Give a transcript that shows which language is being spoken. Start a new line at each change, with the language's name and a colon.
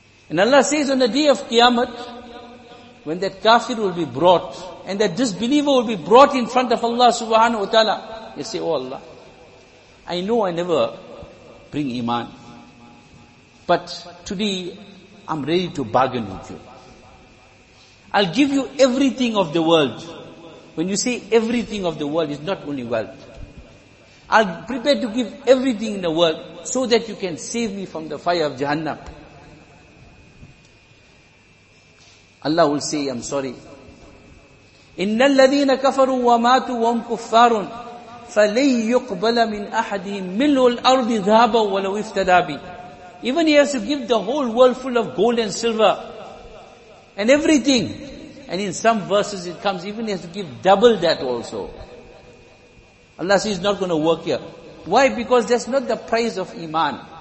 English: And Allah says on the day of Qiyamah, when that kafir will be brought, and that disbeliever will be brought in front of Allah subhanahu wa ta'ala, he'll say, oh Allah, I know I never bring iman, but today I'm ready to bargain with you. I'll give you everything of the world. When you say everything of the world, it's not only wealth. I'll prepare to give everything in the world so that you can save me from the fire of Jahannam. Allah will say, I'm sorry.
Arabic: إِنَّ الَّذِينَ كَفَرُوا وَمَاتُوا وَهُمْ كُفَّارٌ, فَلَيْ يُقْبَلَ مِنْ أَحَدِهِمْ مِلُّ الْأَرْضِ ذَهَبَ وَلَوْ افْتَدَى بِهِ.
English: Even he has to give the whole world full of gold and silver and everything. And in some verses it comes, even he has to give double that also. Allah says, he's not going to work here. Why? Because that's not the price of iman.